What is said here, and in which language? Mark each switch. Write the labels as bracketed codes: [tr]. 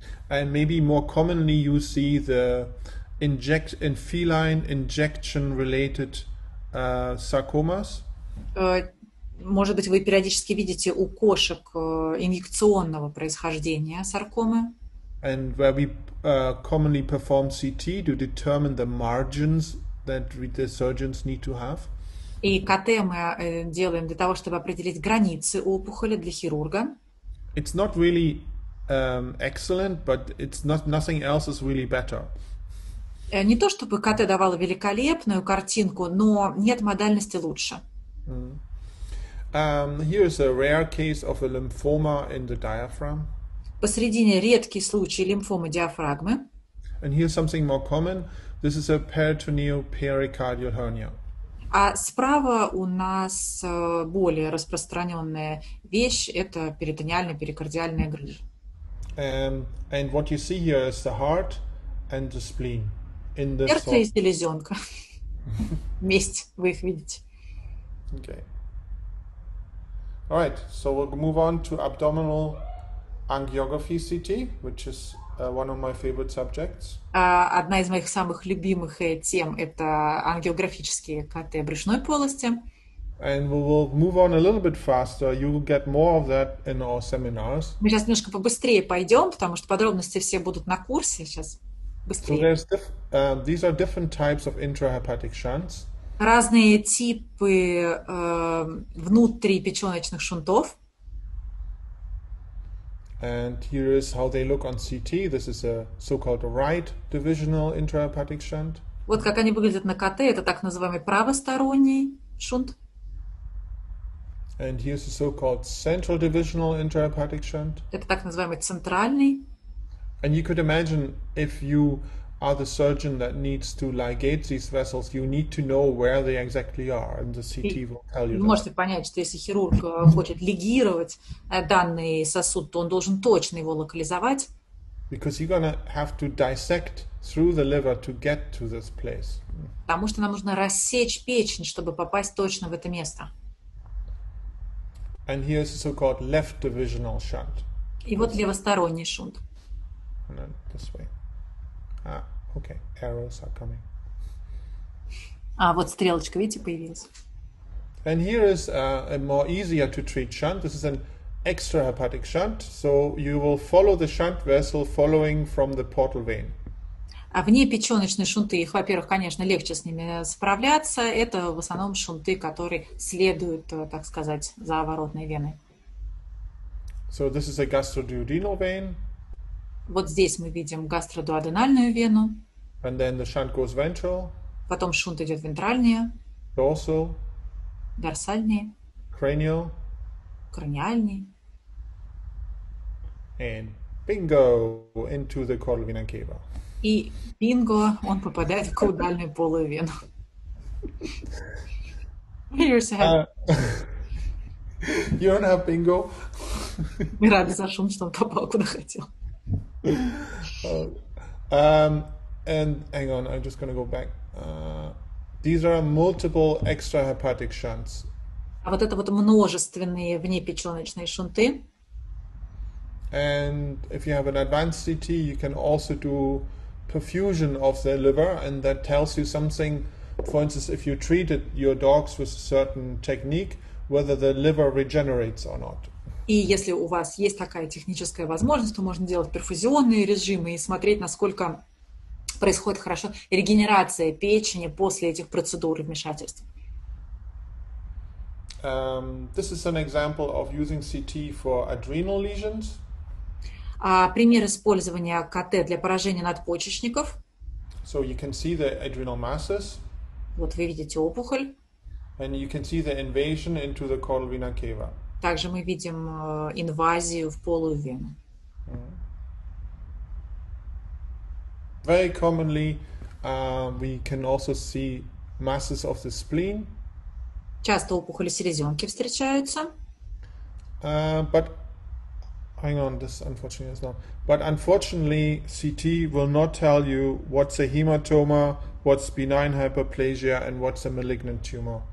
[en] And maybe more commonly you see the feline injection related sarcomas. [ru] Может быть, вы периодически видите у кошек инъекционного происхождения саркомы. [en] And where we commonly perform CT to determine the margins that the surgeons need to have. [ru] И КТ мы делаем для того, чтобы определить границы опухоли для хирурга. [en] It's not really excellent, but it's not, nothing else is really better. [ru] Не то чтобы КТ давало великолепную картинку, но нет модальности лучше. [en] Here is a rare case of a lymphoma in the diaphragm. [ru] Посредине редкий случай лимфомы диафрагмы. [en] And here's something more common. This is a peritoneal pericardial hernia. [ru] А справа у нас более распространенная вещь – это перитониальная перикардиальная грыжа. [en] And what you see here is the heart and the spleen in the. [ru] Сердце и селезенка. Вместе вы их видите. [en] Okay. All right. So we'll move on to abdominal. Angiography CT, which is one of my favorite subjects. [ru] Одна из моих самых любимых тем – это ангиографические КТ брюшной полости. [en] And we will move on a little bit faster. You will get more of that in our seminars. [ru] Мы сейчас немножко побыстрее пойдем, потому что подробности все будут на курсе. Сейчас быстрее. [en] So there's these are different types of intrahepatic shunts. [ru] Разные типы внутрипеченочных шунтов. [en] And here is how they look on CT. This is a so-called right divisional intrahepatic shunt. [ru] Вот как они выглядят на КТ. Это так называемый правосторонний шунт. [en] And here is a so-called central divisional intrahepatic shunt. [ru] Это так называемый центральный. [en] And you could imagine if you are the surgeon that needs to ligate these vessels, you need to know where they exactly are, and the CT will tell you. [ru] Вы можете понять, что если хирург хочет лигировать данный сосуд, то он должен точно его локализовать. [en] Because you're gonna have to dissect through the liver to get to this place. [ru] Потому что нам нужно рассечь печень, чтобы попасть точно в это место. [en] And here's the so-called left divisional shunt. [ru] И вот левосторонний шунт. [en] And then this way. Okay, arrows are coming. [ru] А вот стрелочка, видите, появилась. [en] And here is a more easier to treat shunt. This is an extrahepatic shunt. So you will follow the shunt vessel following from the portal vein. [ru] А вне печёночные шунты, их, во-первых, конечно, легче с ними справляться. Это в основном шунты, которые следуют, так сказать, за воротной веной. [en] So this is a gastroduodenal vein. [ru] Вот здесь мы видим гастродуоденальную вену. [en] And then the shunt goes ventral. [ru] Потом шунт идет вентральный. [en] Dorsal. [ru] Дорсальный. [en] Cranial. [ru] Краниальный. [en] And bingo into the caudal vena cava. [ru] И бинго, он попадает в каудальную полую вену. [en] Here's a You don't have bingo. [ru] Мы рады за шунт, что он попал куда хотел. [en] And hang on, I'm just going to go back. These are multiple extrahepatic shunts. [ru] А вот это вот множественные внепеченочные шунты. [en] And if you have an advanced CT, you can also do perfusion of the liver, and that tells you something. For instance, if you treated your dogs with a certain technique, whether the liver regenerates or not. [ru] И если у вас есть такая техническая возможность, то можно делать перфузионные режимы и смотреть, насколько происходит хорошо регенерация печени после этих процедур и вмешательств. [en] This is an example of using CT for adrenal lesions. [ru] Пример использования КТ для поражения надпочечников. [en] So you can see the adrenal masses. [ru] Вот вы видите опухоль. [en] And you can see the invasion into the caudal vena cava. [ru] Также мы видим инвазию в полую вену. [en] Very commonly, we can also see masses of the spleen. [ru] Часто опухоли селезенки встречаются. [en] But hang on, this unfortunately is not. But unfortunately, CT will not tell you what's a hematoma, what's benign hyperplasia, and what's a malignant tumor.